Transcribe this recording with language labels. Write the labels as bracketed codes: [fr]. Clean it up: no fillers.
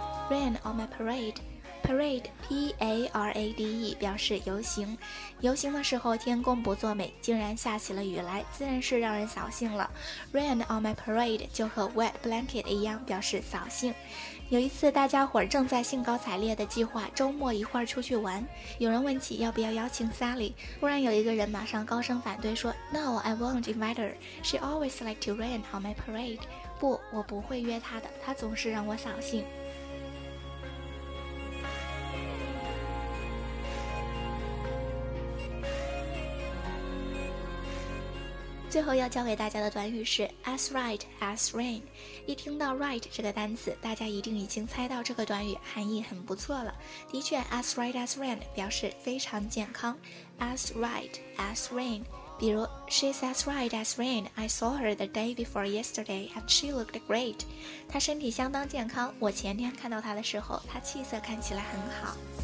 [en] Rain on my parade。 Parade, P-A-R-A-D-E, [zh] 表示游行。游行的时候天公不作美，竟然下起了雨来，自然是让人扫兴了。 Rain on my parade 就和 wet blanket 一样，表示扫兴。有一次大家伙正在兴高采烈的计划周末一块儿出去玩，有人问起要不要邀请 Sally， 忽然有一个人马上高声反对说 [en] No, I won't invite her, she always likes to rain on my parade。 [zh] 不，我不会约她的，她总是让我扫兴。最后要教给大家的短语是 as right as rain。一听到 right 这个单词，大家一定已经猜到这个短语含义很不错了。的确 as right as rain 表示非常健康， as right as rain。比如 [en] she's as right as rain, I saw her the day before yesterday and she looked great。 [zh] 她身体相当健康，我前天看到她的时候她气色看起来很好。